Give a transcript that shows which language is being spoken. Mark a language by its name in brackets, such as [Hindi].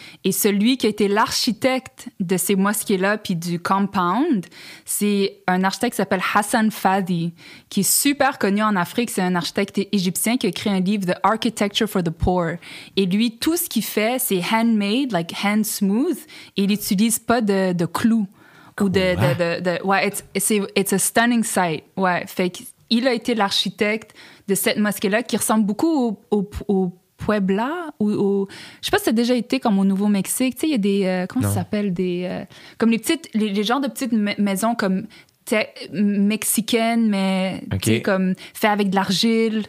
[French] Et celui qui a été l'architecte de ces mosquées-là puis du compound, c'est un architecte qui s'appelle Hassan Fadi, qui est super connu en Afrique. C'est un architecte égyptien qui a écrit un livre « [English] The Architecture for the Poor ». [French] Et lui, tout ce qu'il fait, c'est « handmade », [English] like « hand smooth ». [French] Il n'utilise pas de clous. Ou de ouais, [English] it's a stunning sight. [French] Ouais, fait qu'il a été l'architecte de cette mosquée-là qui ressemble beaucoup au Puebla, ou je sais pas si t'as déjà été comme au Nouveau-Mexique, tu sais, il y a des comment non. Ça s'appelle, des comme les petites, les genres de petites maisons comme mexicaine, mais okay. tu sais, comme fait avec de l'argile.